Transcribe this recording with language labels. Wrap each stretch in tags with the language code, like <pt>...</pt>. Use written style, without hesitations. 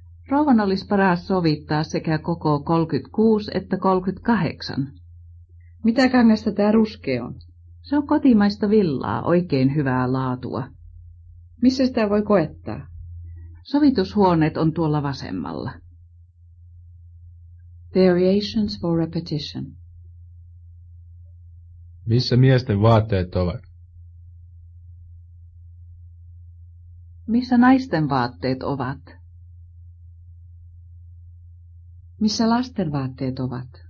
<fi>Rouvan olisi paras sovittaa sekä koko 36 että 38. Mitä kangasta tämä ruskea on? Se on kotimaista villaa, oikein hyvää laatua. Missä sitä voi koettaa? Sovitushuoneet on tuolla vasemmalla.</fi> <en>Variations for repetition.</en> <fi>Missä miesten vaatteet ovat? Missä naisten vaatteet ovat? Missä lasten vaatteet ovat?</fi>